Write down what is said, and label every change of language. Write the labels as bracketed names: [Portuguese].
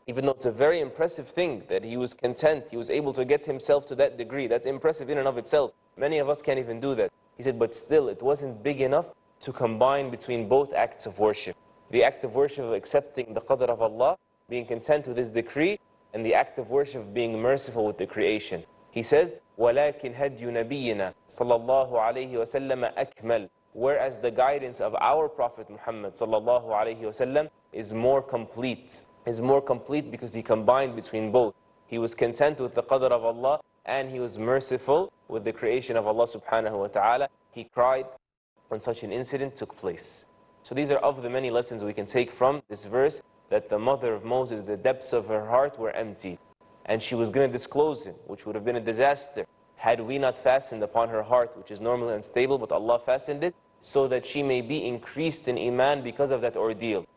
[English] Even though it's a very impressive thing that he was content, he was able to get himself to that degree. That's impressive in and of itself. Many of us can't even do that. He said, but still, it wasn't big enough to combine between both acts of worship. The act of worship of accepting the qadr of Allah, being content with his decree, and the act of worship of being merciful with the creation. He says, [Arabic] وَلَكِنْ هَدْيُ نَبِيِّنَا صَلَى اللَّهُ عَلَيْهِ وَسَلَّمَ أَكْمَلُ. [English] Whereas the guidance of our Prophet Muhammad sallallahu alayhi wasallam is more complete because he combined between both. He was content with the qadr of Allah and he was merciful with the creation of Allah subhanahu wa ta'ala. He cried when such an incident took place. So these are of the many lessons we can take from this verse, that the mother of Moses, the depths of her heart were empty and she was going to disclose him, which would have been a disaster had we not fastened upon her heart, which is normally unstable, but Allah fastened it so that she may be increased in iman because of that ordeal.